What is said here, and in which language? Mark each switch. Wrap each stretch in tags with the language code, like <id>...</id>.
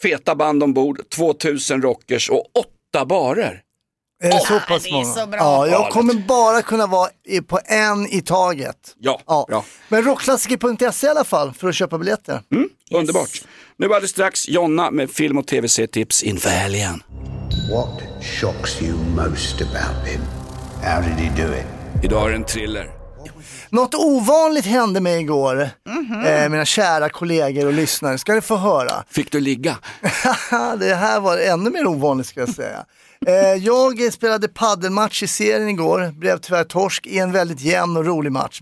<sv>Feta band ombord, 2000 rockers och 8 barer. Är det så pass många? Det är så bra. Ja, jag kommer bara kunna vara på en i taget. Ja. Men rockklassiker.se i alla fall för att köpa biljetter. Yes. Underbart. Nu är det strax Jonna med film- och tv-serietips inför helgen.</sv> <en>What shocks you most about him? How did he do it?</en> <sv>Idag är det en thriller. Något ovanligt hände mig igår. Mm-hmm. Mina kära kollegor och lyssnare, ska ni få höra. Fick du ligga? Det här var ännu mer ovanligt, ska jag säga. Jag spelade paddelmatch i serien igår. Blev tyvärr torsk i en väldigt jämn och rolig match.</sv>